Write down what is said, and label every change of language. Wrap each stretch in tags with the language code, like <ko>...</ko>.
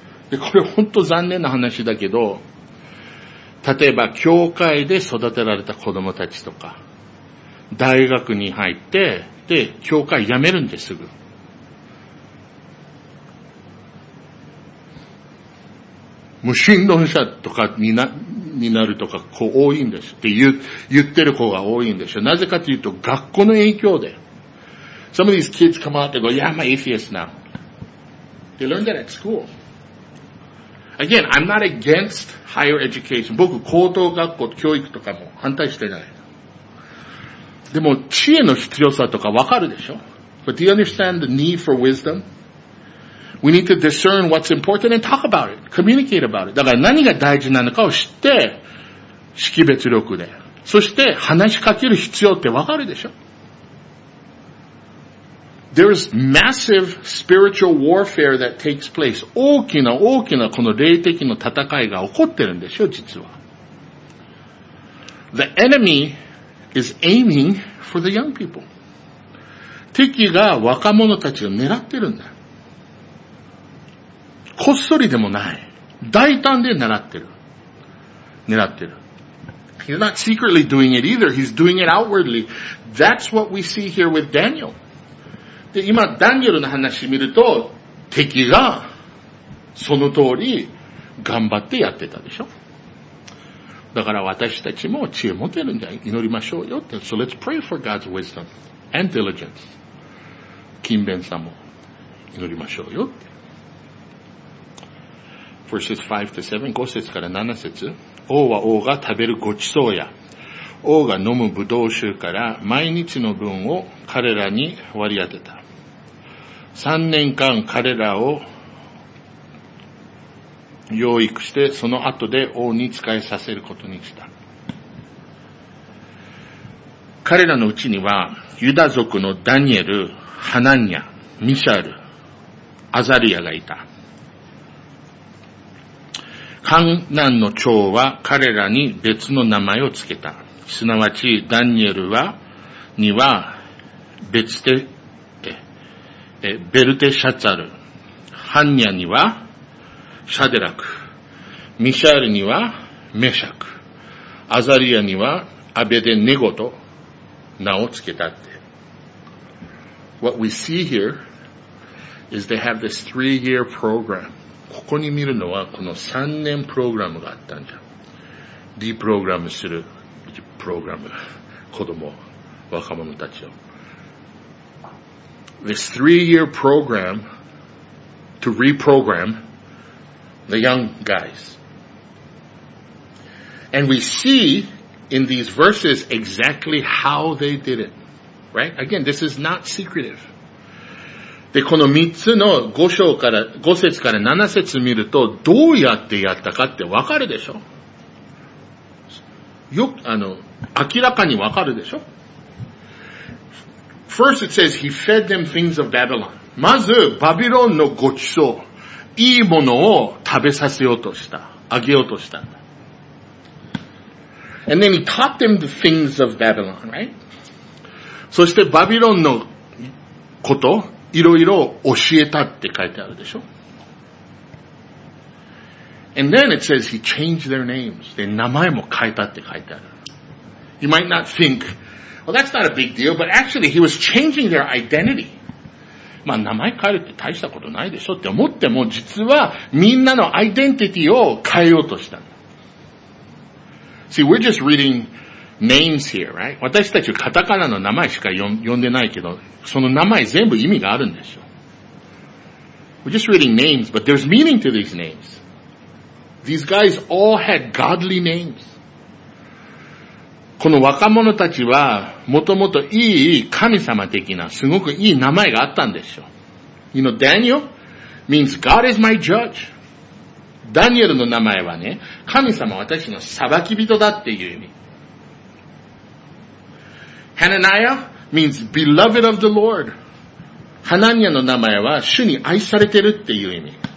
<ja>で、これ本当残念な話だけど、例えば教会で育てられた子供たちとか、大学に入って、で、教会辞めるんですぐ。無神論者とかになるとか、こう多いんですって言ってる子が多いんですよ。なぜかというと、学校の影響で。</ja> <en>Some of these kids come out and go, yeah, I'm an atheist now. They learned that at school. Again, I'm not against higher education.</en> <ja>僕、高等学校、教育とかも反対してない。でも、知恵の必要さとかわかるでしょ。</ja> <en>But do you understand the need for wisdom? We need to discern what's important and talk about it. Communicate about it.</en> <ja>だから何が大事なのかを知って、識別力で、そして話しかける必要ってわかるでしょ。</ja> <en>There's massive spiritual warfare that takes place.</en> <ja>大きな大きなこの霊的な戦いが起こってるんでしょ、実は。</ja> <en>The enemy is aiming for the young people.</en> <ja>敵が若者たちを狙ってるんだ。こっそりでもない。大胆で狙ってる。狙ってる。</ja> <en>He's not secretly doing it either. He's doing it outwardly. That's what we see here with Daniel.</en> <ja>で、今、ダニエルの話を見ると、敵が、その通り、頑張ってやってたでしょ。だから私たちも知恵持てるんじゃ、祈りましょうよって。</ja> <en>So let's pray for God's wisdom and diligence.</en> <ja>勤勉さも、祈りましょうよって。</ja> <en>Verses 5 to 7,</en> <ja>5節から7節。王は王が食べるごちそうや、王が飲むブドウ酒から毎日の分を彼らに割り当てた。三年間彼らを養育して、その後で王に仕えさせることにした。彼らのうちには、ユダ族のダニエル、ハナニア、ミシャル、アザリアがいた。観難の長は彼らに別の名前をつけた。すなわち、ダニエルは、には、別で、ベルテシャツァル、ハンニャには、シャデラク、ミシャールには、メシャク、アザリアには、アベデネゴと名をつけたって。</ja> <en>What we see here is they have this three-year program.</en> <ja>ここに見るのはこの3年プログラムがあったんじゃん。リプログラムするプログラム。子供、若者たちを。</ja> <en>This three-year program to reprogram the young guys. And we see in these verses exactly how they did it. Right? Again, this is not secretive.</en> <ja>で、この三つの五章から、五節から七節見ると、どうやってやったかってわかるでしょ？よ、明らかにわかるでしょ？</ja> <en>First it says, he fed them things of Babylon.</en> <ja>まず、バビロンのごちそう、いいものを食べさせようとした。あげようとした。</ja> <en>And then he taught them the things of Babylon, right?</en> <ja>そして、バビロンのこと、いろいろ教えたって書いてあるでしょ。</ja> <en>And then it says he changed their names.</en> <ja>で、名前も変えたって書いてある。</ja> <en>You might not think, well, that's not a big deal, but actually he was changing their identity.</en> <ja>まあ、名前変えるって大したことないでしょって思っても、実はみんなのアイデンティティを変えようとした。</ja> <en>See, we're just reading names here, right?</en> <ja>私たちカタカナの名前しか呼んでないけど、その名前全部意味があるんですよ。</ja> <en>We're just reading names, but there's meaning to these names. These guys all had godly names.</en> <ja>この若者たちは、もともといい神様的な、すごくいい名前があったんですよ。</ja> <en>You know, Daniel means God is my judge.</en> <ja>ダニエルの名前はね、神様私の裁き人だっていう意味。</ja> <en>Hananiah means beloved of the Lord.</en> <ja>Hananiah の名前は主に愛されてるっていう意味。</ja>